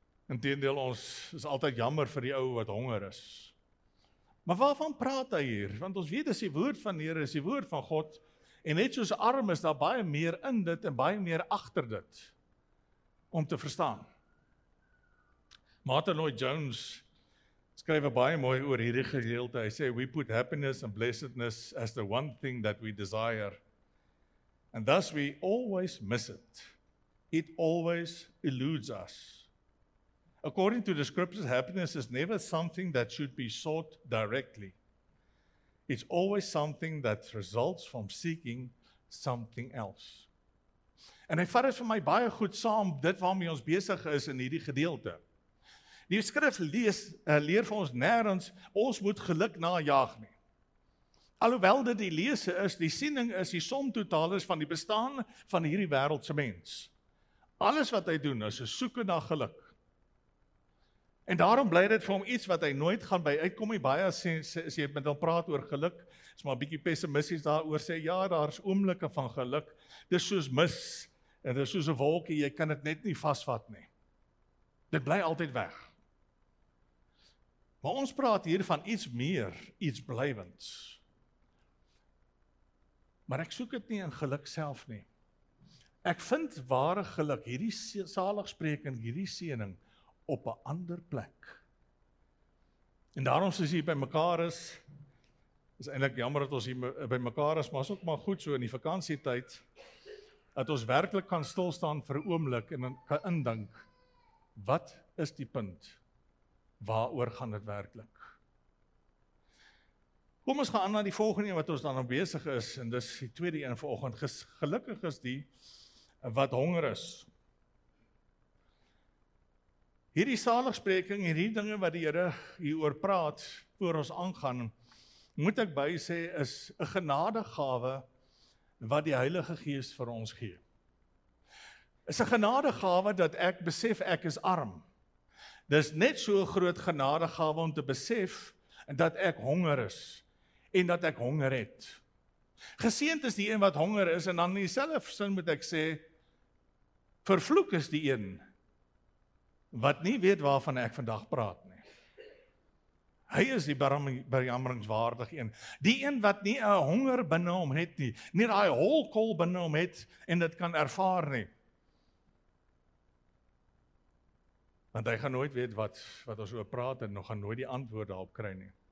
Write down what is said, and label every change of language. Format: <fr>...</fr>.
<af>Inteendeel, ons is altyd jammer vir die ou wat honger is. Maar waarvan praat hy hier? Want ons weet, dis die woord van die Here, is die woord van God, en net soos arm is daar baie meer in dit en baie meer agter dit, om te verstaan. Martin Lloyd-Jones skryf baie mooi oor hierdie gedeelte. Hy sê,</af> <en>we put happiness and blessedness as the one thing that we desire. And thus we always miss it. It always eludes us. According to the scriptures, happiness is never something that should be sought directly. It's always something that results from seeking something else.</en> <af>En hy vat dit vir my baie goed saam, dit waarmee ons besig is in hierdie gedeelte. Die skrif leer vir ons nêrens, ons moet geluk najaag nie. Alhoewel dit die lese is, die siening is, die som totaal is van die bestaan van hierdie wêreldse mens. Alles wat hy doen is 'n soeke na geluk. En daarom bly dit vir hom iets wat hy nooit gaan by uitkom nie. Baie sê, as jy met hom praat oor geluk, is maar 'n bietjie pessimisties daaroor, sê ja, daar's oomblikke van geluk. Dis soos mis en dis soos 'n wolkie, jy kan dit net nie vasvat nie. Dit bly altyd weg. Maar ons praat hier van iets meer, iets blywends. Maar ek soek dit nie in geluk self nie. Ek vind ware geluk, hierdie saligspreking, hierdie seëning op 'n ander plek. En daarom soos hier by mekaar is, is eintlik jammer dat ons hier by mekaar is, maar is ook maar goed so in die vakansietyd, dat ons werklik kan stilstaan vir 'n oomblik en kan indink, wat is die punt? Waaroor gaan dit werklik? Kom ons gaan aan na die volgende een wat ons dan besig is, en dis die tweede een vanoggend. Gelukkig is die wat honger is. Hierdie saligspreking, hierdie dinge wat die Here hieroor praat, voor ons aangaan, moet ek by sê, is 'n genadegawe wat die Heilige Gees vir ons gee. Is 'n genadegawe dat ek besef ek is arm. Dis net so 'n groot genadegawe om te besef dat ek honger is en dat ek honger het. Geseend is die een wat honger is en dan in dieselfde sin moet ek sê, vervloek is die een wat nie weet waarvan ek vandag praat nie. Hy is die bejammeringswaardig een. Die een wat nie 'n honger binne hom het nie, nie daai holkol binne hom het en dit kan ervaar nie. Want hy gaan nooit weet wat ons oor praat en nog gaan nooit die antwoord daarop kry nie.</af>